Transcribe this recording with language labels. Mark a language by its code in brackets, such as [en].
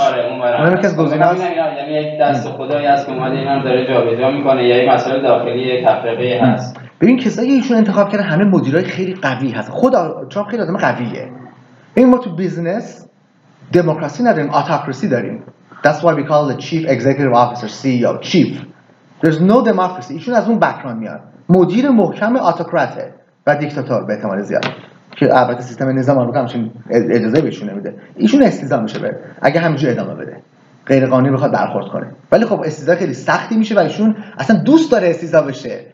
[fa] آره اون یکی از گزینه‌هاست. یعنی یک دست خدایی هست که اومده اینم داره جابجا میکنه، یا این مسئله داخلی تفرقه هست. ببین کسایی که ایشون انتخاب کردن همه مدیرای خیلی قوی هست. خدا چون خیلی آدم قویه. ببین ما تو بیزنس دموکراسی نداریم، اتاکراسی داریم. [en] That's why we call the chief executive officer CEO, chief. There's no democracy. [fa] ایشون از اون بک‌گراند میاد. مدیر محکم اتوکراته و دیکتاتور به احتمال زیاد. که البته سیستم نظام آمریکا همچین اجازه بهشون نمیده. ایشون استیضاح میشه بره. اگه همینجوری ادامه بده. غیر قانونی بخواد برخورد کنه. ولی خب استیضاح خیلی سختی میشه و ایشون اصلا دوست داره استیضاح بشه.